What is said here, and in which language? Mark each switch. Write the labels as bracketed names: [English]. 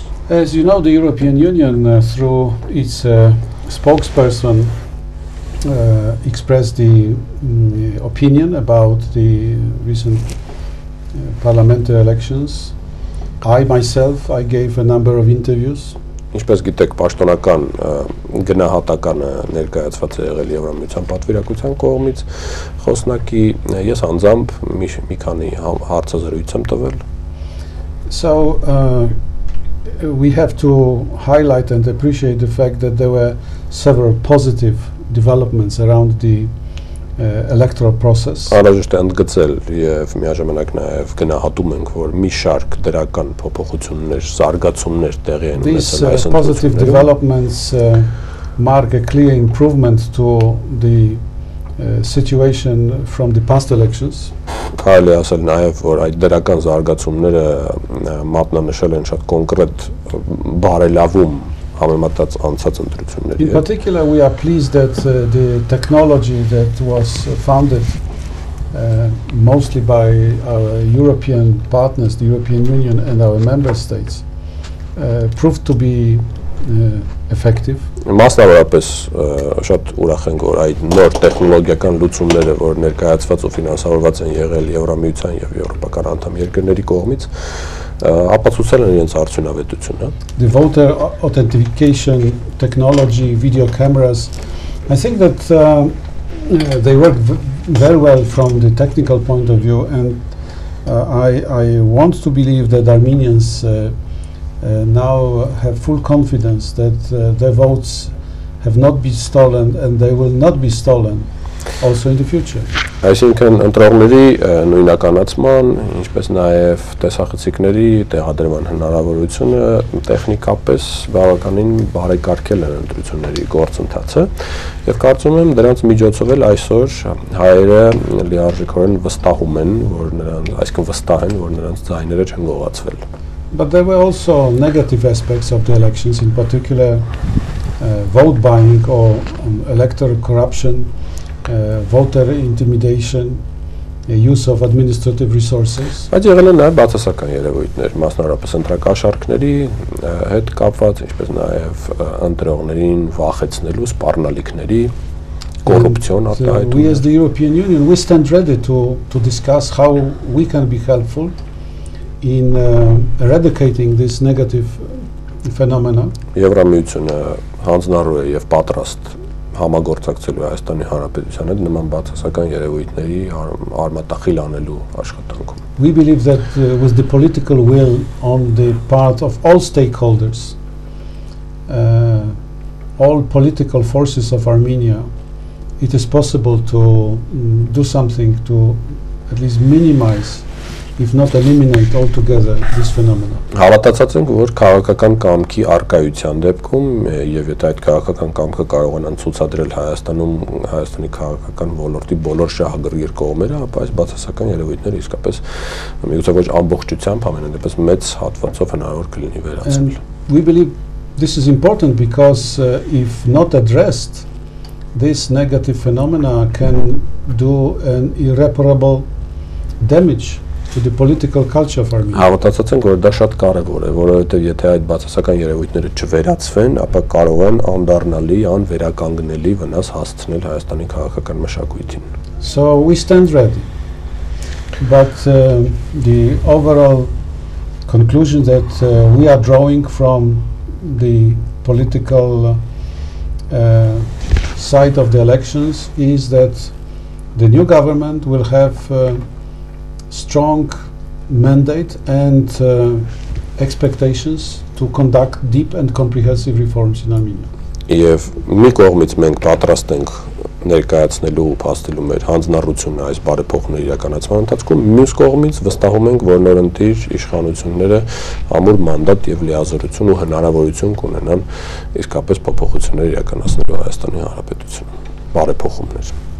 [English] As you know, the European Union through its spokesperson expressed the opinion about the recent parliamentary elections. I gave a number of interviews. [Armenian] Ինչպես գիտեք, պաշտոնական գնահատականը ներկայացված է եղել Եվրամիության պատվիրակության կողմից։ Խոսնակի ես անձամբ մի քանի հարցազրույց եմ տվել։ [English] So we have to highlight and appreciate the fact that there were several positive developments around the electoral process. [Armenian] Անհրաժեշտ է ընդգծել եւ միաժամանակ նաեւ գնահատում ենք, որ մի շարք դրական փոփոխություններ, զարգացումներ տեղի են ունեցել այս ընթացքում։ [English] These positive developments mark a clear improvement to the situation from the past elections. [Armenian] Կարելի ասել նաև, որ այդ դրական զարգացումները մատնանշել են շատ կոնկրետ բարելավում համեմատած անցած ընտրությունների հետ. [English] In particular, we are pleased that the technology that was founded mostly by our European partners, the European Union and our member states, proved to be effective. [Armenian] Մասնավորապես շատ ուրախ ենք, որ այդ նոր տեխնոլոգիական լուծումները, որ ներկայացված ու ֆինանսավորված են եղել Եվրամիության եւ Եվրոպական անդամ երկրների կողմից, ապացուցել են իրենց արդյունավետությունը. [English] The voter authentication technology, video cameras, I think that they work very well from the technical point of view, and I want to believe that Armenians now have full confidence that their votes have not been stolen and they will not be stolen also in the future. [Armenian] Այսինքն ընտրողների նույնականացման, ինչպես նաև տեսախցիկների տեղադրման հնարավորությունը տեխնիկապես բավականին բարեկարգել են ընտրությունների գործընթացը, եւ կարծում եմ դրանց միջոցով էլ այսօր հայերը լիարժեքորեն վստահում են, որ նրանց, այսինքն վստահ են, որ նրանց ձայները չեն գողացվել. [English] But there were also negative aspects of the elections, in particular vote buying or electoral corruption, voter intimidation, use of administrative resources. [Armenian] Այդ եղել են նաև բացասական երևույթներ, մասնավորապես ընտրակաշարքների հետ կապված, ինչպես նաև ընտրողներին վախեցնելու սպառնալիքների կոռուպցիոն արտահայտումներ. [English] We as the European Union, we stand ready to discuss how we can be helpful in eradicating this negative phenomena. [Armenian] Եվրամիությունը հանձնարարու է եւ պատրաստ համագործակցելու Հայաստանի Հանրապետության հետ նման բացասական երևույթների արմատախիլ անելու աշխատանքում. [English] We believe that with the political will on the part of all stakeholders, all political forces of Armenia, it is possible to do something to at least minimize, if not eliminate altogether, this phenomenon. [Armenian] Հավատացած ենք, որ քաղաքական կամքի առկայության դեպքում, եւ եթե այդ քաղաքական կամքը կարողանան ցուցադրել Հայաստանում Հայաստանի քաղաքական ոլորտի բոլոր շահագրգիռ կողմերը, ապա այս բացասական երևույթները իսկապես միուսը ոչ ամբողջությամբ, ամենայն դեպս մեծ հատվածով հնարավոր կլինի վերացնել. [English] We believe this is important because if not addressed, this negative phenomena can do an irreparable damage to the political culture of Armenia. [Armenian] Հավատացած ենք, որ դա շատ կարևոր է, որովհետև եթե այդ բացասական երևույթները չվերացվեն, ապա կարող են անդառնալի, անվերականգնելի վնաս հասցնել Հայաստանի քաղաքական մշակույթին. [English] So we stand ready. But the overall conclusion that we are drawing from the political side of the elections is that the new government will have strong mandate and expectations to conduct deep and comprehensive reforms in Armenia. [Armenian] Եվ մի կողմից մենք պատրաստ ենք ներկայացնելու ու փաստելու մեր հանձնառությունը այս բարեփոխումների իրականացման ընթացքում, մյուս կողմից վստահում ենք, որ նորընտիր իշխանությունները ամուր մանդատ եւ լիազորություն ու հնարավորություն կունենան իսկապես փոփոխություններ իրականացնելու Հայաստանի Հանրապետությունում բարեփոխումներ։